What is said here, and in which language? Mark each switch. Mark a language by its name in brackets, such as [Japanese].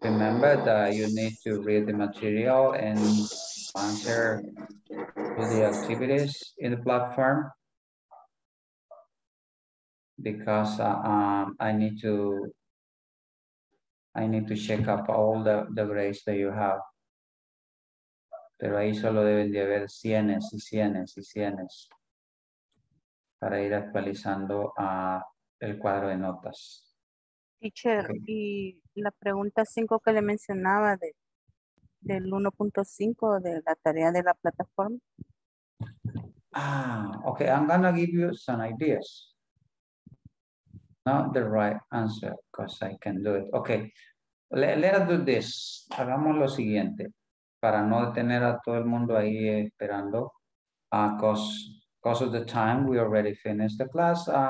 [English] Remember that you need to read the material and answer to the activities in the platform, because I need to check up all the grades that you have. [Spanish] Pero ahí solo deben de haber cienes y cienes y cienes para ir actualizando el cuadro de notas. [English] Teacher, okay. [Spanish] Y la pregunta 5 que le mencionaba del 1.5 de la tarea de la plataforma. [English] Ah, okay, I'm gonna give you some ideas. Not the right answer, because I can do it. Okay, let us do this. [Spanish] Hagamos lo siguiente. Para no detener a todo el mundo ahí esperando, [English] because of the time, we already finished the class.